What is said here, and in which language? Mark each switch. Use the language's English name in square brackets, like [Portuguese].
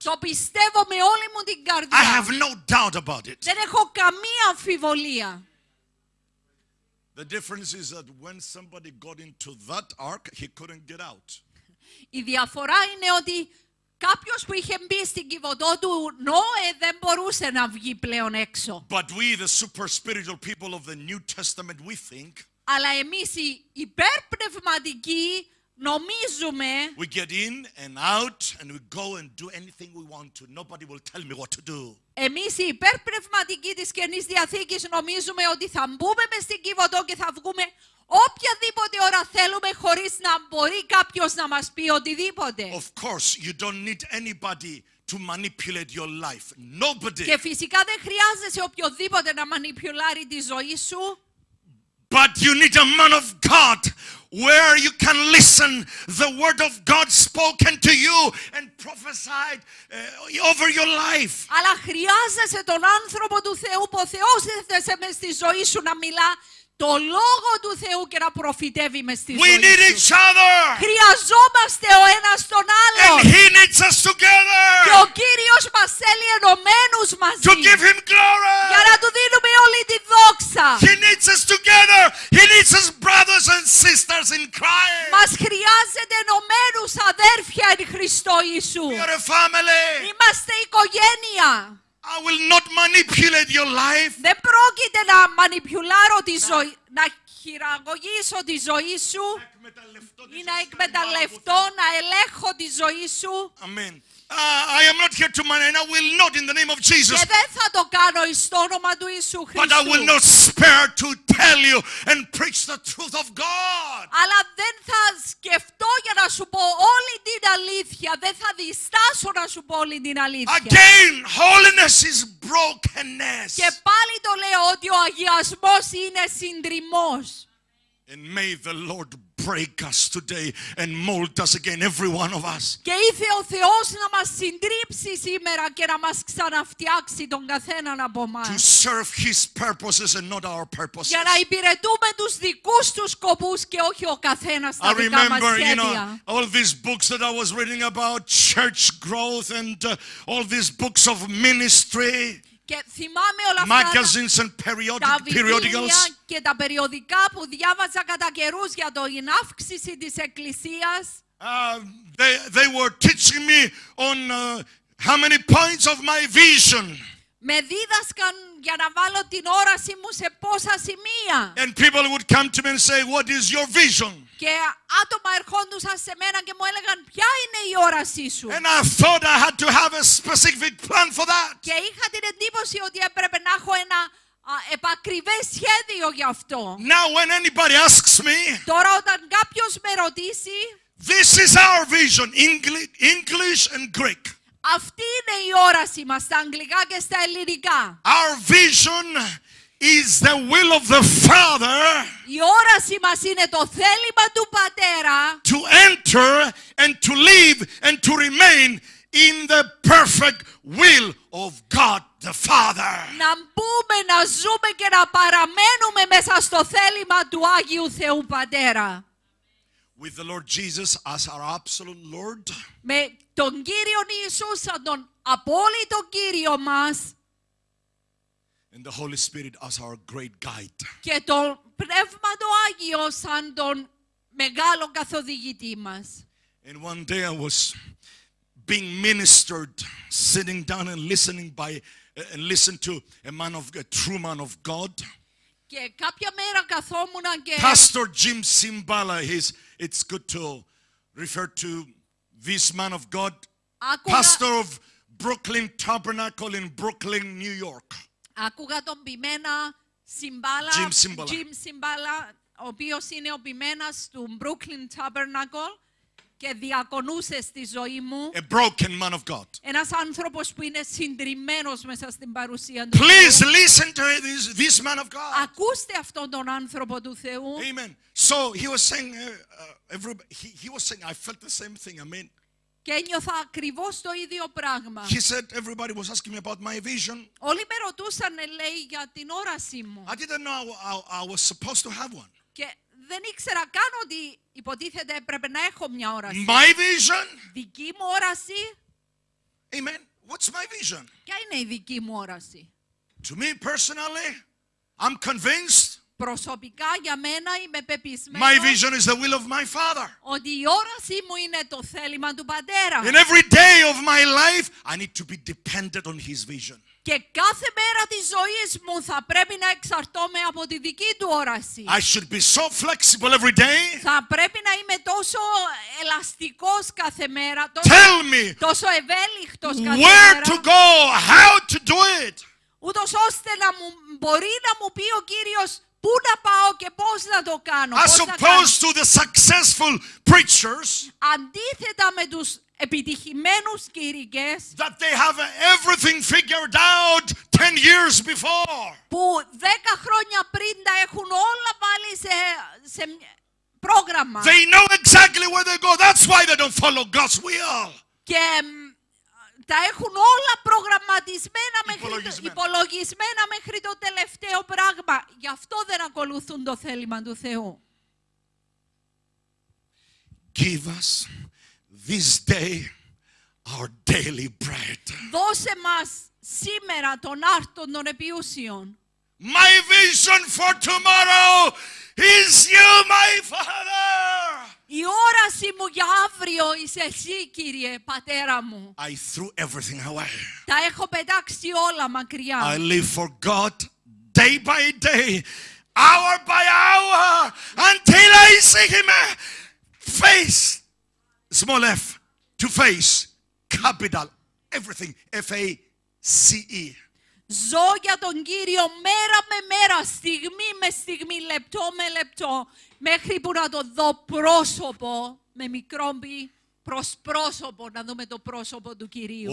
[Greek] Το πιστεύω με όλη μου την καρδιά. [English] I have no doubt about it. [Greek] Δεν έχω καμία αμφιβολία. [English] The difference is that when somebody got into that ark, he couldn't get out. [Greek] Η διαφορά είναι ότι κάποιος που είχε μπει στην κυβωτό του Νόε δεν μπορούσε να βγει πλέον έξω. [English] But we, the super spiritual people of the New Testament, we think. [Greek] Αλλά εμείς οι υπερπνευματικοί νομίζουμε. [English] We get in and out and we go and do anything we want to. Nobody will tell me what to do. [Greek] Εμείς οι υπερπνευματικοί της Καινής Διαθήκης νομίζουμε ότι θα μπούμε μες στην κυβωτό και θα βγούμε οποιαδήποτε ώρα θέλουμε χωρίς να μπορεί κάποιος να μας πει οτιδήποτε. [English] Of course, you don't need anybody to manipulate your life. Nobody. [Greek] Και φυσικά δεν χρειάζεσαι οποιοδήποτε να μανιπιουλάρει τη ζωή σου. [English] But you need a man of God where you can listen the word of God spoken to you and prophesied over your life. [Greek] Αλλά χρειάζεσαι τον άνθρωπο του Θεού που ο Θεός έθεσε μες στη ζωή σου να μιλά το λόγο του Θεού και να προφητεύει μες στη ζωή σου. [English] Each other. [Greek] Χρειαζόμαστε ο ένας τον άλλον. [English] And he needs us together. [Greek] Και ο Κύριος μας θέλει ενωμένους μαζί. [English] To give him glory. [Greek] Για να του δίνουμε όλη τη δόξα. [English] He needs us together. He needs us brothers and sisters in Christ. [Greek] Μας χρειάζεται ενωμένους αδέρφια εν Χριστώ Ιησού. [English] We are a family. [Greek] Είμαστε οικογένεια. [English] I will not manipulate your life. [Greek] Δεν πρόκειται να μανιπιουλάρω τη ζωή, να χειραγωγήσω τη ζωή σου ή να εκμεταλλευτώ, να ελέγχω τη ζωή σου. [English] Amen. I am not here to manipulate, and I will not in the name of Jesus. [Greek] Και δεν θα το κάνω εις το όνομα του Ιησού Χριστού. [English] But I will not spare to tell you and preach the truth of God. [Greek] Αλλά δεν θα σκεφτώ για να σου πω όλη την αλήθεια. Δεν θα διστάσω να σου πω όλη την αλήθεια. [English] Again, holiness is brokenness. [Greek] Και πάλι το λέω ότι ο αγιασμός είναι συντριμμός. [English] And may the Lord break us today and mold us again, every one of us. [Greek] Και ήθε ο Θεός να μας συντρίψει σήμερα και να μας ξαναφτιάξει τον καθέναν από μας. [English] To serve His purposes and not our purposes. [Greek] Για να υπηρετούμε τους δικούς τους σκοπούς και όχι ο καθένας τα δικά μας σχέδια. [English] I remember, you know, all these books that I was reading about church growth and all these books of ministry. [Greek] Και θυμάμαι όλα [English] magazines [Greek] αυτά [English] and periodicals. [Greek] Και τα περιοδικά που διάβαζα κατά καιρούς για την αύξηση της εκκλησίας. [English] They were teaching me on how many points of my vision. [Greek] Με δίδασκαν για να βάλω την όρασή μου σε πόσα σημεία. [English] And people would come to me and say, what is your vision? [Greek] Και άτομα ερχόντουσαν σε μένα και μου έλεγαν ποια είναι η όρασή σου. [English] And I thought I had to have a specific plan for that. [Greek] Και είχα την εντύπωση ότι έπρεπε να έχω ένα επακριβές σχέδιο γι' αυτό. [English] Now when anybody asks me, [Greek] τώρα όταν κάποιος με ρωτήσει, [English] this is our vision, English and Greek. [Greek] Αυτή είναι η όραση μας στα αγγλικά και στα ελληνικά. [English] Our vision is the will of the Father. [Greek] Η όραση μας είναι το θέλημα του Πατέρα. [English] To enter and to live and to remain in the perfect will of God the Father. [Greek] Να μπούμε, να ζούμε και να παραμένουμε μέσα στο θέλημα του Άγιου Θεού Πατέρα. [English] With the Lord Jesus as our absolute Lord. [Greek] Με τον Κύριο Ιησού σαν τον απόλυτο Κύριο μας. [English] And the Holy Spirit as our great guide. [Greek] Και το Πνεύμα το Άγιο σαν τον μεγάλο καθοδηγητή μας. [English] And one day I was being ministered, sitting down and listening by and listen to a man of a true man of God. [Greek] Και κάποια μέρα καθόμουν και [English] Pastor Jim Simbala, it's good to refer to this man of God, pastor of Brooklyn Tabernacle in Brooklyn, New York. [Greek] Ακούγα τον Πιμένα Σιμπάλα, Jim Simbala, ο οποίος είναι ο Πιμένας του Brooklyn Tabernacle και διακονούσε στη ζωή μου. [English] A broken man of God. [Greek] Ένας άνθρωπος που είναι συντριμμένος μέσα στην παρουσία του. [English] Please listen to this man of God. [Greek] Ακούστε αυτόν τον άνθρωπο του Θεού. [English] Amen. So he was saying, everybody, he was saying, I felt the same thing. I mean, [Greek] Και ένιωθα ακριβώς το ίδιο πράγμα. [English] He said everybody was asking me about my vision. [Greek] Όλοι με ρωτούσαν, λέει, για την όρασή μου. [English] I didn't know I was supposed to have one. [Greek] Και δεν ήξερα καν ότι υποτίθεται έπρεπε να έχω μια όραση. [English] My vision. [Greek] Δική μου όραση. [English] Amen. What's my vision? [Greek] Ποια είναι η δική μου όραση? [English] To me personally, I'm convinced. [Greek] Προσωπικά για μένα είμαι πεπισμένος. [English] My vision is the will of my Father. [Greek] Ότι η όρασή μου είναι το θέλημα του Πατέρα. [English] In every day of my life, I need to be dependent on His vision. [Greek] Και κάθε μέρα της ζωής μου θα πρέπει να εξαρτώμαι από τη δική του όραση. [English] I should be so flexible every day. [Greek] Θα πρέπει να είμαι τόσο ελαστικός κάθε μέρα, [English] Tell me [Greek] τόσο ευέλικτος κάθε [English] where [Greek] μέρα. [English] To go, how to do it. [Greek] Ούτως ώστε να μου, μπορεί να μου πει ο Κύριος πού να πάω και πώς να το κάνω. [English] As opposed to the successful preachers, [Greek] αντίθετα με τους επιτυχημένους κηρυγές, [English] that they have everything figured out 10 years before, [Greek] που 10 χρόνια πριν τα έχουν όλα βάλει σε πρόγραμμα. [English] They know exactly where they go. That's why they don't follow God's will. [Greek] Και τα έχουν όλα προγραμματισμένα, υπολογισμένα μέχρι το τελευταίο πράγμα. Γι' αυτό δεν ακολουθούν το θέλημα του Θεού. [English] Give us this day our daily bread. [Greek] Δώσε μας σήμερα τον άρτον των επιούσιων. [English] My vision for tomorrow is you, my Father. [Greek] Η όραση μου για αύριο είσαι εσύ, Κύριε, Πατέρα μου. [English] I threw everything away. [Greek] Τα έχω πετάξει όλα μακριά. [English] I live for God day by day, hour by hour, until I see Him face, small f, to face, capital, everything, F-A-C-E. [Greek] Ζω για τον Κύριο μέρα με μέρα, στιγμή με στιγμή, λεπτό με λεπτό, μέχρι που να το δω πρόσωπο, με μικρό μπι, προς πρόσωπο, να δούμε το πρόσωπο του Κυρίου.